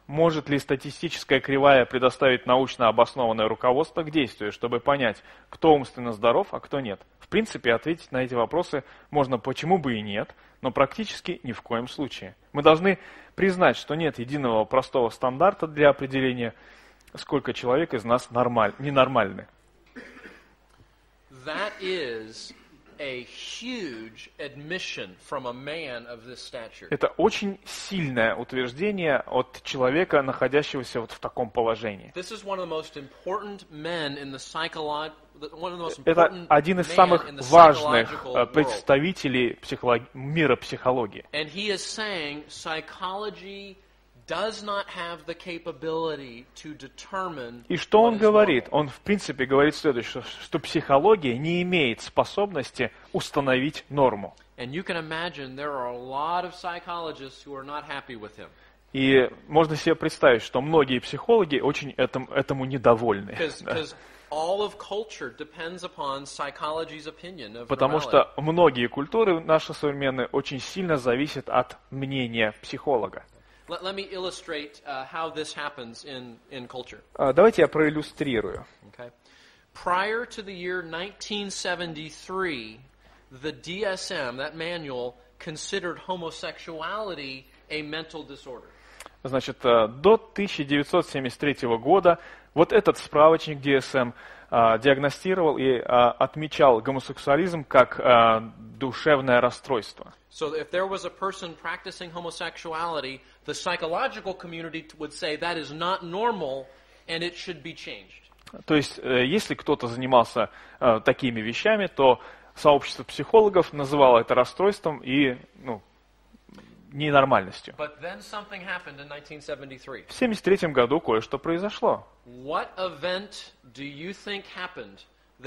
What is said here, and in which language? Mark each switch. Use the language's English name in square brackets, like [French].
[Russian] Может ли статистическая кривая предоставить научно обоснованное руководство к действию, чтобы понять, кто умственно здоров, а кто нет? В принципе, ответить на эти вопросы можно почему бы и нет, но практически ни в коем случае. Мы должны признать, что нет единого простого стандарта для определения, сколько человек из нас ненормальны. [English] That is a huge admission from a man of this stature. [Russian] Это очень сильное утверждение от человека, находящегося вот в таком положении. [English] This is one of the most important men in the [Russian] Это один из самых важных представителей мира психологии. [English] And he is saying psychology does not have the capability to determine. [Russian] И что он говорит? Он в принципе говорит следующее, что психология не имеет способности установить норму. [English] And you can imagine there are a lot of psychologists who are not happy with him. [Russian] И можно себе представить, что многие психологи очень этому недовольны. [English] Because all of culture depends upon psychology's opinion of. [Russian] Потому что многие культуры наши современные очень сильно зависят от мнения психолога. [English] Let me illustrate how this happens in culture. [Russian] Давайте я проиллюстрирую. [English] Okay. Prior to the year 1973, the DSM, that manual, considered homosexuality a mental disorder. [Russian] Значит, до 1973 года вот этот справочник DSM диагностировал и отмечал гомосексуализм как душевное расстройство. [English] So if there was a person practicing homosexuality, the psychological community would say that is not normal and it should be changed. [Russian] То есть, если кто-то занимался такими вещами, то сообщество психологов называло это расстройством и, ну, ненормальностью. [English] But then something happened in 1973. [Russian] В 73-м году кое-что произошло. [English] What event do you think happened that